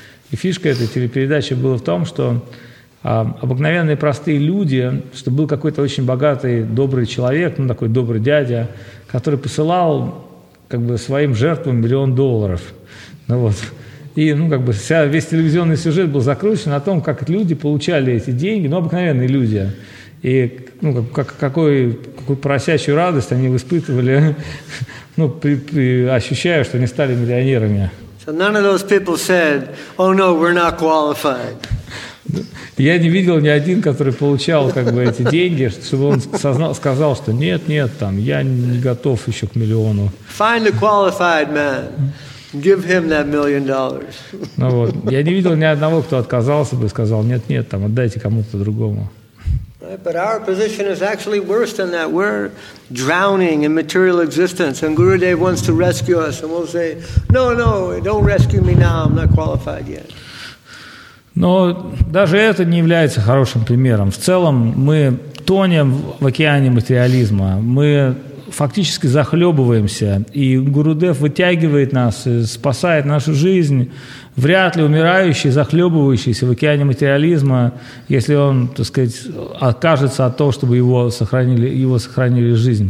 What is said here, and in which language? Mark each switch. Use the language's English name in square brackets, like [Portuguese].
[Russian] И фишка этой телепередачи была в том, что обыкновенные простые люди, что был какой-то очень богатый, добрый человек, ну такой добрый дядя, который посылал как бы своим жертвам $1 миллион. Ну вот. И ну, как бы вся, весь телевизионный сюжет был закручен о том, как люди получали эти деньги, ну обыкновенные люди. И ну, какую просящую радость они испытывали, ну, ощущая, что они стали миллионерами. [English] So none of those people said, oh no, we're not qualified. [Russian] Я не видел ни один, который получал как бы эти деньги, чтобы он сказал, что нет, нет, там, я не готов еще к миллиону. [English] Find a qualified man. Give him that $1 million. [Russian] Ну вот. Я не видел ни одного, кто отказался бы и сказал, нет, нет, там, отдайте кому-то другому. [English] But our position is actually worse than that. We're drowning in material existence, and Gurudev wants to rescue us, and we'll say, no, no, don't rescue me now, I'm not qualified yet. [Russian] Но даже это не является хорошим примером. В целом мы тонем в океане материализма, мы фактически захлебываемся, и Гурудев вытягивает нас, спасает нашу жизнь. Вряд ли умирающий, захлебывающийся в океане материализма, если он, так сказать, откажется от того, чтобы его сохранили жизнь.